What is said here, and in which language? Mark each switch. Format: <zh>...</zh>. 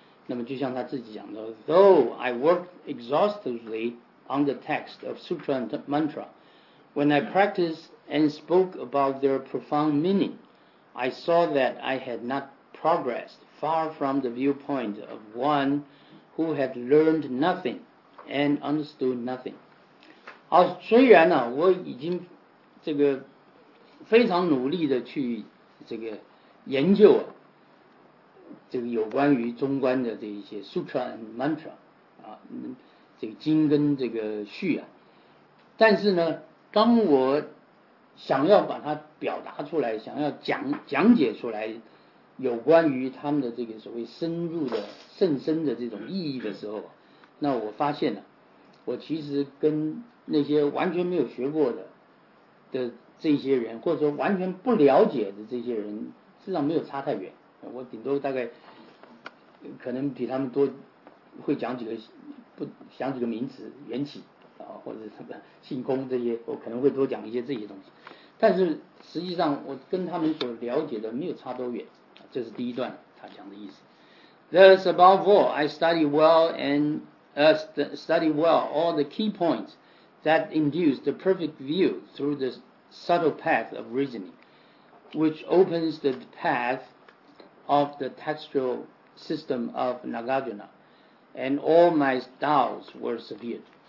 <zh>那么就像他自己讲的，</zh> <en>Though I worked exhaustively on the text of Sutra and Mantra when I practiced and spoke about their profound meaning I saw that I had not progressed far from the viewpoint of one who had learned nothingand understood nothing。</en> <zh>好，虽然呢、啊、我已经这个非常努力的去这个研究、啊、这个有关于中观的这一些 Sutra and Mantra、啊、这个经跟这个序啊，但是呢当我想要把它表达出来，想要讲解出来有关于他们的这个所谓深入的甚深的这种意义的时候，那我发现呢、啊、我其实跟那些完全没有学过的这些人，或者说完全不了解的这些人，实际上没有差太远。我顶多大概可能比他们多会讲几个名词，缘起啊，或者什么性空，这些我可能会多讲一些这些东西，但是实际上我跟他们所了解的没有差多远。这是第一段他讲的意思。</zh> <en>Thus above all I study well andstudy well all the key points that induce the perfect view through the subtle path of reasoning, which opens the path of the textual system of Nagarjuna, and all my doubts were severed.</en>